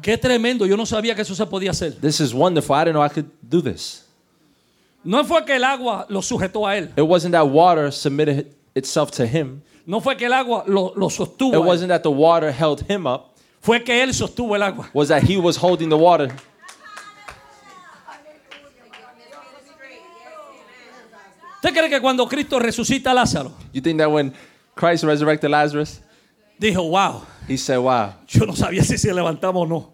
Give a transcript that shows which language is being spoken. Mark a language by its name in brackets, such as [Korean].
[Spanish] Qué tremendo, yo no sabía que eso se podía hacer. [English] This is wonderful, I didn't know I could do this. [Spanish] No fue que el agua lo sujetó a él. [English] It wasn't that water submitted itself to him. [Spanish] No fue que el agua lo sostuvo. [English] It wasn't that the water held him up. [Spanish] Fue que él sostuvo el agua. [English] Was that he was holding the water. [Spanish] ¿Usted cree que cuando Cristo resucita a Lázaro? [English] You think that when Christ resurrected Lazarus? [Spanish] Dijo, wow. [English] He said, wow. [Spanish] Yo no sabía si se levantaba o no.